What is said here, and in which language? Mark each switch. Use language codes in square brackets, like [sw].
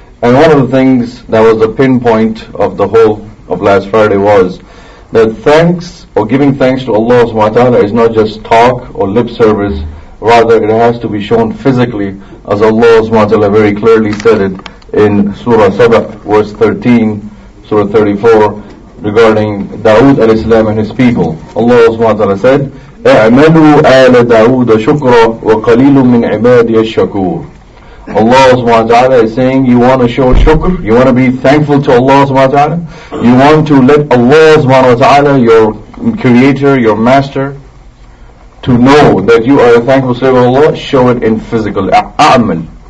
[en] And one of the things that was the pinpoint of the whole of last Friday was that thanks, or giving thanks to Allah subhanahu wa ta'ala, is not just talk or lip service. Rather, it has to be shown physically, as Allah subhanahu wa ta'ala very clearly said it in Surah Sabah, verse 13, Surah 34, regarding Dawood alayhi salam and his people. Allah subhanahu wa ta'ala said, [ar] اَعْمَلُوا آلَ دَعُودَ شُكْرًا وَقَلِيلٌ مِّنْ عِبَادِيَ الشَّكُورِ. [en] Allah subhanahu wa ta'ala is saying, you want to show shukr, you want to be thankful to Allah subhanahu wa ta'ala, you want to let Allah subhanahu wa ta'ala, your creator, your master, to know that you are a thankful slave of Allah, show it in physical. [ar] اعمل.